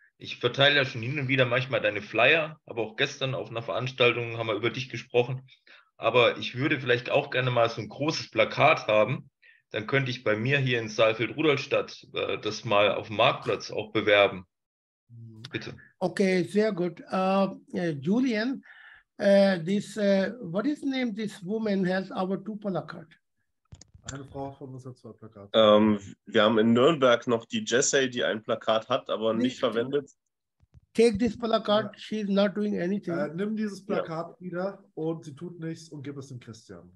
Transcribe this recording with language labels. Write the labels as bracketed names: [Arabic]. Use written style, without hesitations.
[German] Ich verteile ja schon hin und wieder manchmal deine Flyer, aber auch gestern auf einer Veranstaltung haben wir über dich gesprochen. Aber ich würde vielleicht auch gerne mal so ein großes Plakat haben. Dann könnte ich bei mir hier in Saalfeld-Rudolstadt das mal auf dem Marktplatz auch bewerben. Bitte. Okay, sehr gut. [English] Julian, what is the name this woman has our two placard? [German] Eine Frau von uns hat zwei Plakate. Wir haben in Nürnberg noch die Jesse, die ein Plakat hat, aber nicht verwendet. [English] Take this placard, ja. She's not doing anything. [German] Nimm dieses Plakat wieder und sie tut nichts und gib es dem Christian.